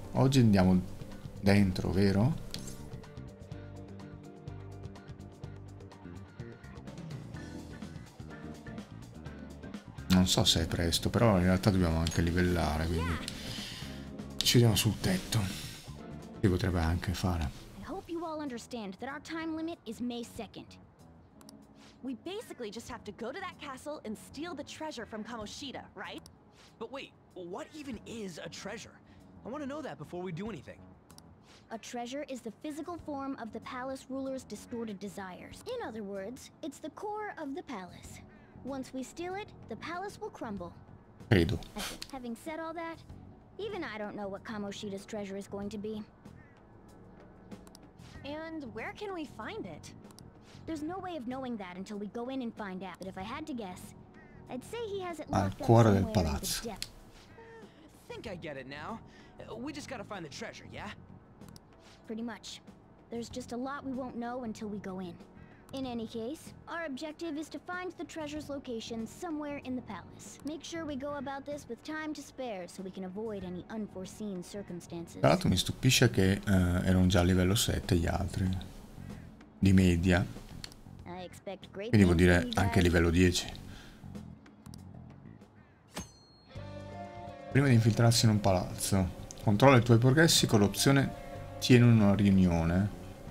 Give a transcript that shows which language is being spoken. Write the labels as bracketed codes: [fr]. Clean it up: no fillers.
[it] Oggi andiamo dentro, vero? Non so se è presto, però in realtà dobbiamo anche livellare, quindi ci vediamo sul tetto. Si potrebbe anche fare. [en] Spero che tutti understand that our time limit is May 2nd. We basically just have to go to that castle and steal the treasure from Kamoshida, right? But wait, what even is a treasure? I want to know that before we do anything. A treasure is the physical form of the palace ruler's distorted desires. In other words, it's the core of the palace. Once we steal it, the palace will crumble. Credo. Having said all that, even I don't know what Kamoshida's treasure is going to be. And where can we find it? There's no way of knowing that until we go in and find out. But if I had to guess, I'd say he has it locked up somewhere. Think I get it now. We just gotta find the treasure, yeah? Pretty much. There's just a lot we won't know until we go in. In any case, our objective is to find the treasure's location somewhere in the palace. Make sure we go about this with time to spare so we can avoid any unforeseen circumstances. [it] Tra l'altro mi stupisce che erano già a livello 7 gli altri. Di media. Quindi vuol dire anche livello 10. Prima di infiltrarsi in un palazzo, controlla i tuoi progressi con l'opzione tieni una riunione.